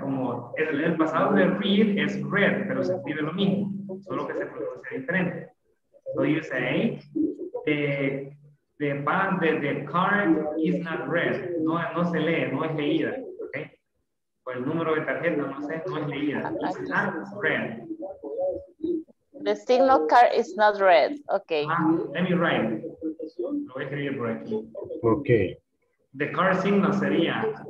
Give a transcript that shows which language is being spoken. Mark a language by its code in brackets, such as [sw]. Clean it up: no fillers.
[es] Como el pasado de read es read, pero se escribe lo mismo. Solo que se pronuncia diferente. [en] So you say the card is not read. [es] No se lee, no es leída. Por el número de tarjeta, no sé, no es leída. [en] Red. The signal card is not red. Okay. Let me write. [es] Lo voy a escribir por aquí. [en] Okay. The car signal sería.